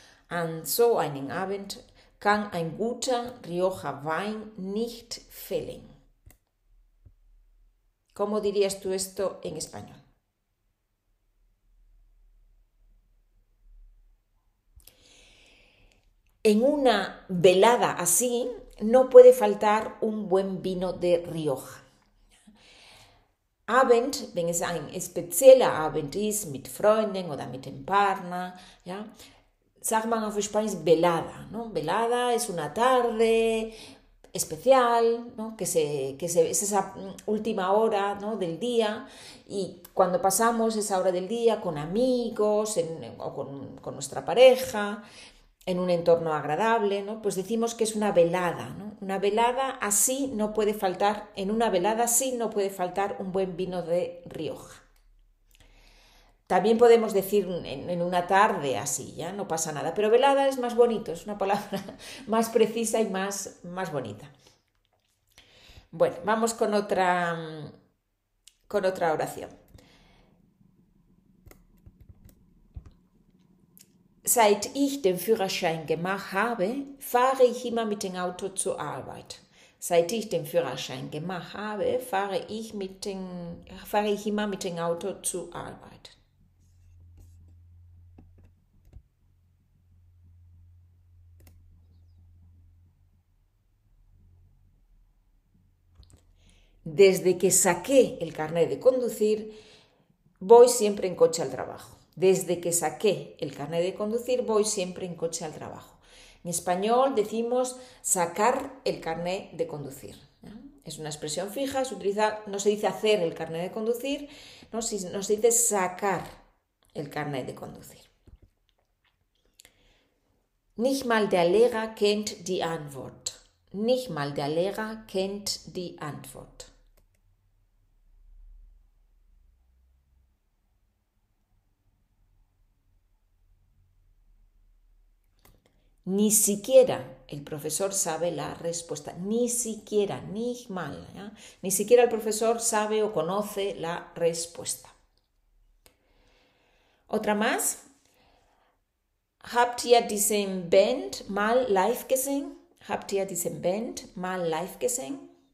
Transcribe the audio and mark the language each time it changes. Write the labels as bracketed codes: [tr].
[de] An so einen Abend kann ein guter Rioja Wein nicht fehlen. [es] ¿Cómo dirías tú esto en español? En una velada así no puede faltar un buen vino de Rioja. [de] Abend, wenn es ein spezieller Abend ist, mit Freunden oder mit dem Partner, [es] ¿ya? [de] Sagt man auf Spanisch velada, [es] ¿no? Velada es una tarde especial, ¿no? Es esa última hora, ¿no? Del día, y cuando pasamos esa hora del día con amigos o con nuestra pareja, en un entorno agradable, ¿no? Pues decimos que es una velada, ¿no? Una velada así no puede faltar, en una velada así no puede faltar un buen vino de Rioja. También podemos decir en una tarde así, ya no pasa nada, pero velada es más bonito, es una palabra más precisa y más bonita. Bueno, vamos con otra oración. [de] Seit ich den Führerschein gemacht habe, fahre ich immer mit dem Auto zur Arbeit. Seit ich den Führerschein gemacht habe, fahre ich immer mit dem Auto zur Arbeit. [es] Desde que saqué el carnet de conducir, voy siempre en coche al trabajo. Desde que saqué el carnet de conducir, voy siempre en coche al trabajo. En español decimos sacar el carnet de conducir. Es una expresión fija, se utiliza, no se dice hacer el carnet de conducir, no, no se dice sacar el carnet de conducir. [de] Nicht mal der Lehrer kennt die Antwort. Nicht mal der Lehrer kennt die Antwort. [es] Ni siquiera el profesor sabe la respuesta. Ni siquiera, ni mal, ¿ya? Ni siquiera el profesor sabe o conoce la respuesta. Otra más. [de] ¿Habt ihr diesen Band mal live gesehen? ¿Habt ihr diesen Band mal live gesehen?